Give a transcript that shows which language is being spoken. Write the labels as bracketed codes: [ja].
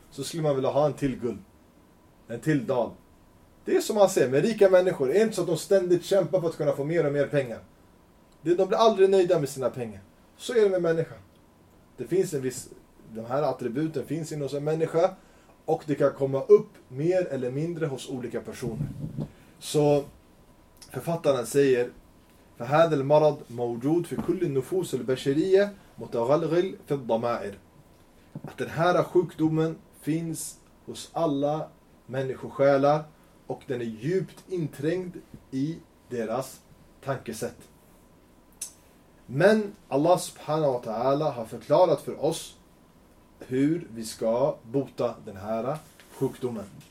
[sv] Så skulle man vilja ha en till guld. En till dal. Det är som man ser med rika människor. Det är inte så att de ständigt kämpar för att kunna få mer och mer pengar. De blir aldrig nöjda med sina pengar. Så är det med människan. Det finns en viss, de här attributen finns inom en människa. Och det kan komma upp mer eller mindre hos olika personer. Så författaren säger: [ar] فهذا المرض موجود في كل النفوس البشرية متغلغل في الضمائر. [sv] Att den här sjukdomen finns hos alla människosjälar och den är djupt inträngd i deras tankesätt. Men Allah subhanahu wa ta'ala har förklarat för oss hur vi ska bota den här sjukdomen.